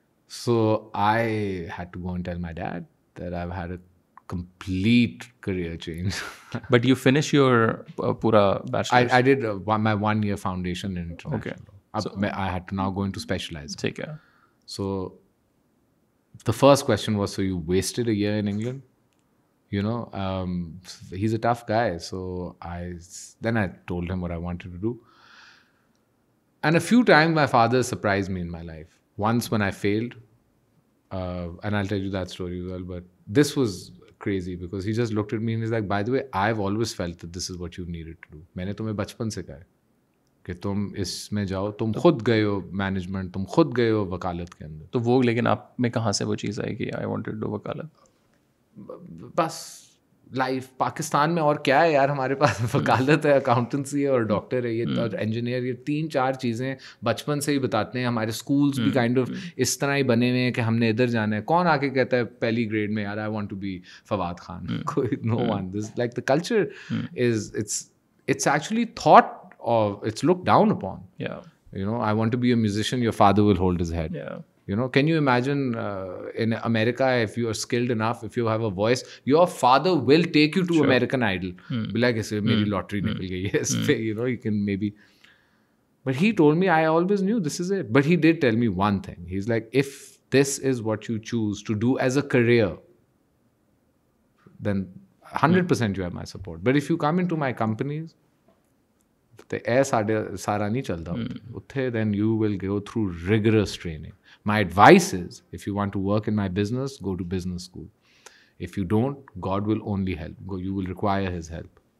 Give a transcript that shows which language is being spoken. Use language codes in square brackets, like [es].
[en] So I had to go and tell my dad that I had a complete career change. But you finish your پورا bachelor? I did my one year foundation in international. I had to now go and to specialize. [ur] ٹھیک ہے. [en] So the first question was, so you wasted a year in England, you know, he's a tough guy. So I told him what I wanted to do, and a few times my father surprised me in my life. Once when I failed, and I'll tell you that story as well, but this was crazy because he just looked at me and he's like, by the way, I've always felt that this is what you needed to do. [ur] Maine tumhe bachpan se kaha کہ تم اس میں جاؤ, تم خود گئے ہو management, تم خود گئے ہو وکالت کے اندر. تو وہ, لیکن آپ میں کہاں سے وہ چیز آئی کہ [en] I want to do [ur] وکالت؟ بس لائف پاکستان میں, اور کیا ہے یار, ہمارے پاس وکالت ہے, اکاؤنٹنسی ہے, اور ڈاکٹر ہے, یہ اور انجینئر, یہ تین چار چیزیں بچپن سے ہی بتاتے ہیں. ہمارے اسکولس بھی کائنڈ آف اس طرح ہی بنے ہوئے ہیں کہ ہم نے ادھر جانا ہے. کون آ کے کہتا ہے پہلی گریڈ میں, یار [en] I want to be [ur] Fawad Khan? [en] No one. This like the culture is it's actually thought or it's looked down upon. Yeah, you know, I want to be a musician, your father will hold his head. Yeah, you know, can you imagine in America, if you are skilled enough, if you have a voice, your father will take you to, sure, American Idol. Be like, [ur] isse meri lottery nikal gayi hai, isse, [en] you know, you can maybe. But he told me, I always knew this is it. But he did tell me one thing. He's like, if this is what you choose to do as a career, then 100% you have my support. But if you come into my companies, [pa] سارا نہیں چلتا اتھے, [en] Then you will go through rigorous training. My advice is, if you want to work in my business, go to business school. If you don't, God will only help, you will require his help.